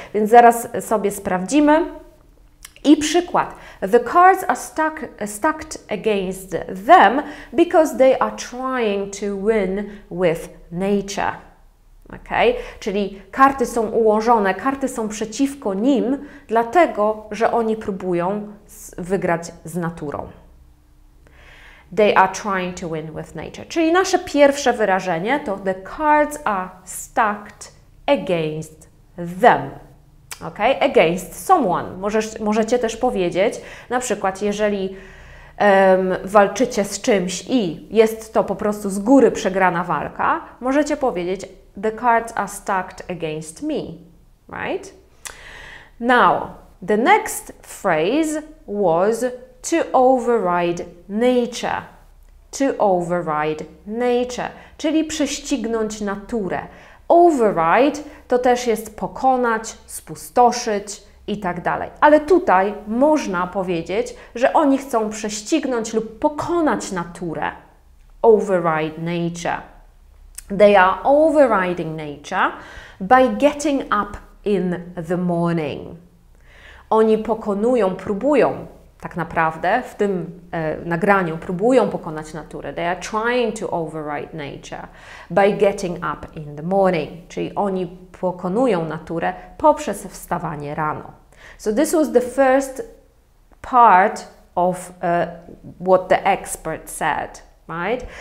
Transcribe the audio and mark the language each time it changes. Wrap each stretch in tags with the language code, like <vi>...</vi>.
<pl>Więc zaraz sobie sprawdzimy. I przykład.</pl> <en>The cards are stacked against them because they are trying to win with nature. Okay?</en> <pl>Czyli karty są ułożone, karty są przeciwko nim, dlatego, że oni próbują wygrać z naturą.</pl> <en>They are trying to win with nature.</en> <pl>Czyli nasze pierwsze wyrażenie to</pl> <en>the cards are stacked against them. Okay? Against someone.</en> <pl>Możecie też powiedzieć, na przykład, jeżeli walczycie z czymś i jest to po prostu z góry przegrana walka, możecie powiedzieć</pl> <en>the cards are stacked against me, right? Now, the next phrase was to override nature. To override nature,</en> <pl>czyli prześcignąć naturę. Override to też jest pokonać, spustoszyć i tak dalej. Ale tutaj można powiedzieć, że oni chcą prześcignąć lub pokonać naturę.</pl> <en>Override nature. They are overriding nature by getting up in the morning.</en> <pl>Oni pokonują, próbują tak naprawdę w tym nagraniu, próbują pokonać naturę.</pl> <en>They are trying to override nature by getting up in the morning.</en> <pl>Czyli oni pokonują naturę poprzez wstawanie rano.</pl> <en>So this was the first part of what the expert said, right?</en>